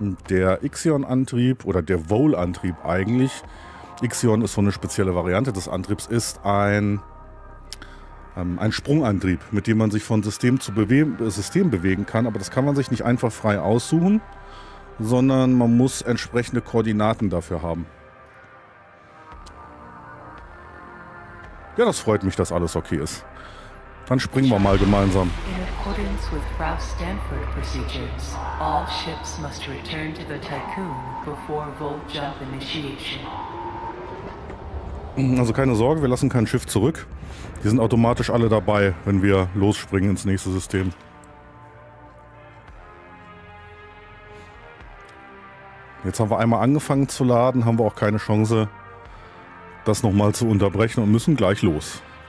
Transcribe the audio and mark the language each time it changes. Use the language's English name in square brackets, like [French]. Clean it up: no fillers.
[German] Der Ixion-Antrieb oder der Vol-Antrieb eigentlich, Ixion ist so eine spezielle Variante des Antriebs, ist ein Sprungantrieb, mit dem man sich von System zu System bewegen kann, aber das kann man sich nicht einfach frei aussuchen, sondern man muss entsprechende Koordinaten dafür haben. Ja, das freut mich, dass alles okay ist. Dann springen wir mal gemeinsam. [English] In accordance with Ralph Stanford procedures, all ships must return to the Tycoon before Volt Jump Initiation. [German] Also keine Sorge, wir lassen kein Schiff zurück. Die sind automatisch alle dabei, wenn wir losspringen ins nächste System. Jetzt haben wir einmal angefangen zu laden, haben wir auch keine Chance, das nochmal zu unterbrechen und müssen gleich los.